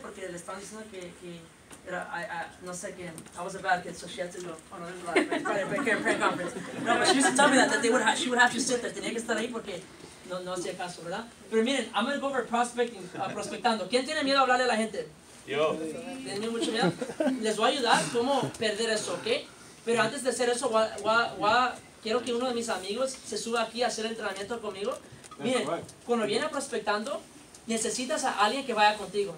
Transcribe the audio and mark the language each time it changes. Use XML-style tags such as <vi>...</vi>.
<es>Porque le estaban diciendo que era, no sé qué.</es> <en>I was a bad kid, so she had to go. Oh, no, there's a lot of prayer conference. No, but she used to tell me that she would have to sit there.</en> <es>Tenía que estar ahí porque no hacía caso, ¿verdad?</es> <en>Pero miren, I'm going to go over prospecting, prospectando.</en> <es>¿Quién tiene miedo a hablarle a la gente? Yo. ¿Tienen mucho miedo? Les voy a ayudar cómo perder eso, ¿ok? Pero antes de hacer eso, quiero que uno de mis amigos se suba aquí a hacer entrenamiento conmigo. Miren, cuando viene prospectando, necesitas a alguien que vaya contigo.</es>